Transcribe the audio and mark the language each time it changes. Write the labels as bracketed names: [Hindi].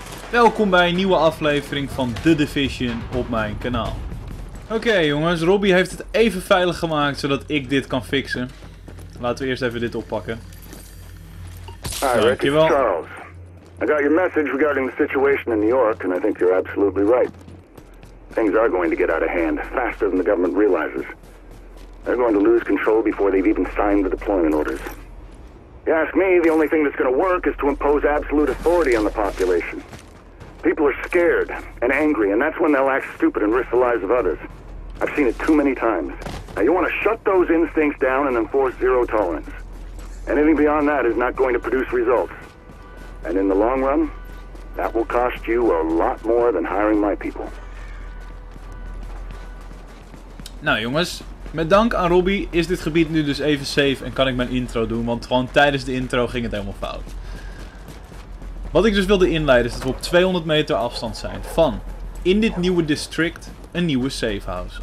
[Dutch] Welkom bij een nieuwe aflevering van The Division op mijn kanaal. Oké, jongens, Robbie heeft het even veilig gemaakt zodat ik dit kan fixen. Laten we eerst even dit oppakken. Hi, dankjewel. [English] Charles, I got your message regarding the situation in New York and I think you're absolutely right. Things are going to get out of hand faster than the government realizes. They're going to lose control before they've even signed the deployment orders. If you ask me, the only thing that's going to work is to impose absolute authority on the population. People are scared and angry, and that's when they'll act stupid and risk the lives of others. I've seen it too many times. Now, you want to shut those instincts down and enforce zero tolerance. Anything beyond that is not going to produce results. And in the long run, that will cost you a lot more than hiring my people. [Dutch] Nou, jongens. Met dank aan Robbie is dit gebied nu dus even safe en kan ik mijn intro doen, want gewoon tijdens de intro ging het helemaal fout. Wat ik dus wilde inleiden is dat we op 200 meter afstand zijn van, in dit nieuwe district, een nieuwe safehouse.